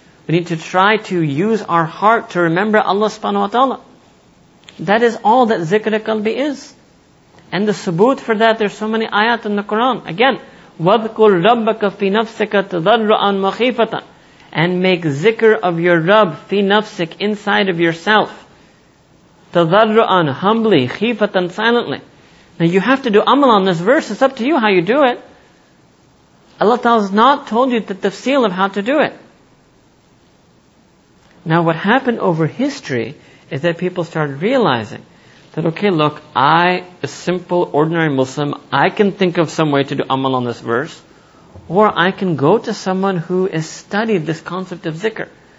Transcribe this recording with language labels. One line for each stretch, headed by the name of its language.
English: We need to try to use our heart to remember Allah subhanahu wa ta'ala. That is all that zikr al-qalbi is. And the subut for that, there's so many ayat in the Quran.
Arabic: Again, وَذْكُرْ رَبَّكَ فِي نَفْسِكَ تَضَرُّعًا وَخِيفَةً.
English: And make zikr of your Rabb,
Arabic: فِي نَفْسِكَ,
English: inside of yourself.
Arabic: تَضَرُّعًا,
English: humbly,
Arabic: خِيفَةً,
English: silently. Now you have to do amal on this verse, it's up to you how you do it. Allah Ta'ala has not told you the tafsil of how to do it. Now what happened over history is that people started realizing that, okay, look, I, a simple, ordinary Muslim, I can think of some way to do amal on this verse, or I can go to someone who has studied this concept of zikr.